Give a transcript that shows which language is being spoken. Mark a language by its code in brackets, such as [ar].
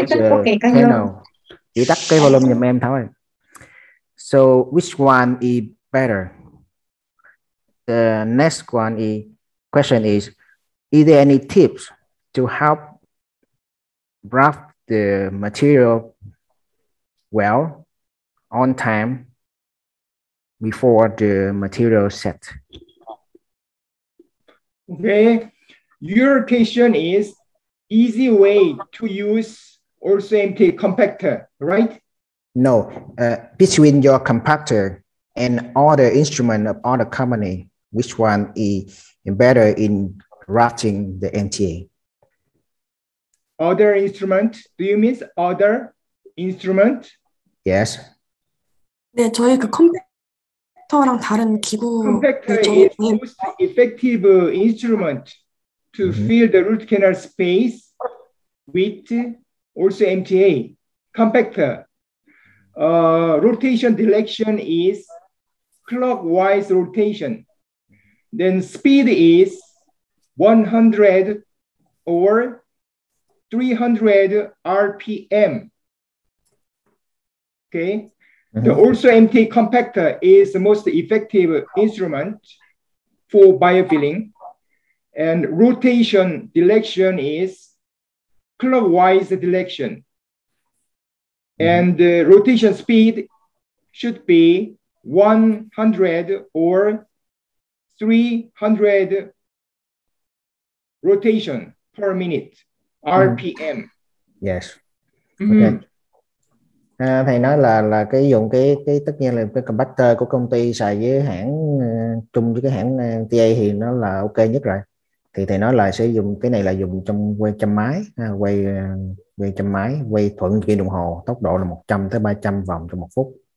[vi] Okay, chị tắt cái volume giùm em Thảo ơi. [en] So which one is better? The next one question is there any tips to help wrap the material well on time before the material set? Okay, your question is easy way to use also MTA compactor, right? No, between your compactor and other instrument of other company, which one is better in routing the MTA? Other instrument, do you mean other instrument? Yes. [ko] 네, 저희 그 컴팩터 랑 다른 기구 [en] most effective instrument to fill the root canal space with also MTA compactor. Rotation direction is clockwise rotation. Then speed is 100 or 300 RPM. Okay. The also MTA compactor is the most effective instrument for biofilling, and rotation direction is clockwise direction, and the rotation speed should be 100 or 300 rotation. per minute, RPM. Mm. Yes. Okay. [vi] Mm. À, thầy nói là cái dùng cái tất nhiên là cái compactor của công ty xài với hãng chung với cái hãng MTA thì nó là ok nhất rồi. Thì thầy nói là sử dụng cái này là dùng trong quay trăm máy, quay trăm máy, quay thuận kim đồng hồ, tốc độ là 100 tới 300 vòng trong một phút.